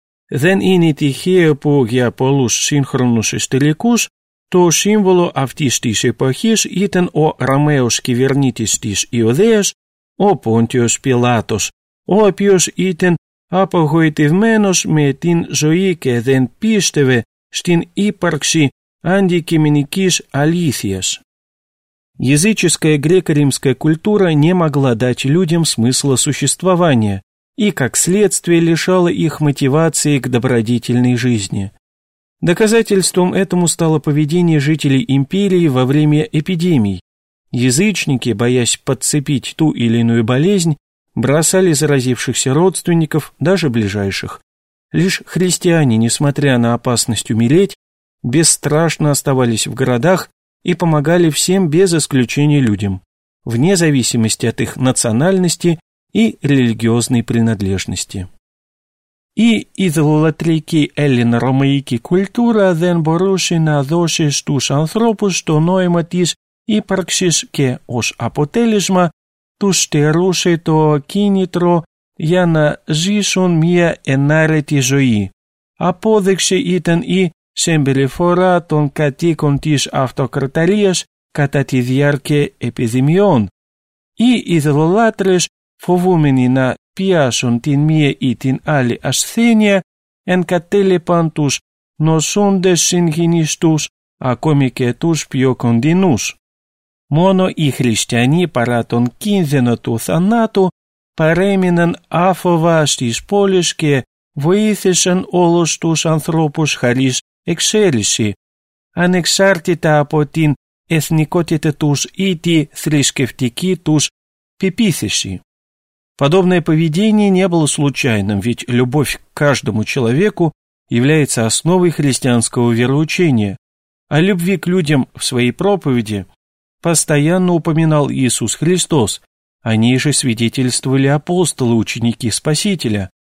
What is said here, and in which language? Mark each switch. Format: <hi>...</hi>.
<el>Δεν είναι τυχαίο που για πολλούς σύγχρονους ιστορικούς το σύμβολο αυτής της εποχής ήταν ο Ρωμαίος κυβερνήτης της Ιουδαίας, ο Πόντιος Πιλάτος, ο οποίος ήταν απογοητευμένος με την ζωή και δεν πίστευε στην ύπαρξη αντικειμενικής αλήθειας.</el> <ru>Языческая греко-римская культура не могла дать людям смысла существования и, как следствие, лишала их мотивации к добродетельной жизни. Доказательством этому стало поведение жителей империи во время эпидемий. Язычники, боясь подцепить ту или иную болезнь, бросали заразившихся родственников, даже ближайших. Лишь христиане, несмотря на опасность умереть, бесстрашно оставались в городах и помогали всем без исключения людям, вне зависимости от их национальности и религиозной принадлежности.</ru> <el>И идолатрики эллино-ромаики культура δεν μπορούσε να δώσει στους ανθρώπους το νόημα της ύπαρξης και ως αποτέλεσμα τους στερούσε το κίνητρο για να ζήσουν μια ενάρετη ζωή. Απόδειξη ήταν η συμπεριφορά των κατοίκων της αυτοκρατορίας κατά τη διάρκεια επιδημιών. Οι ειδωλολάτρες, φοβούμενοι να πιάσουν την μία ή την άλλη ασθένεια, εγκατέλειπαν τους νοσούντες συγγενείς τους, ακόμη και τους πιο κοντινούς. Μόνο οι χριστιανοί παρά τον κίνδυνο του θανάτου παρέμειναν άφοβα στις πόλεις και βοήθησαν όλους τους ανθρώπους χαρίς εξαίρεση, ανεξάρτητα από την εθνικότητα τους ή τη θρησκευτική τους πεποίθηση.</el> <ru>Подобное поведение не было случайным, ведь любовь к каждому человеку является основой христианского вероучения. О любви к людям в своей проповеди постоянно упоминал Иисус Христос, о ней же свидетельствовали апостолы, ученики Спасителя.</ru>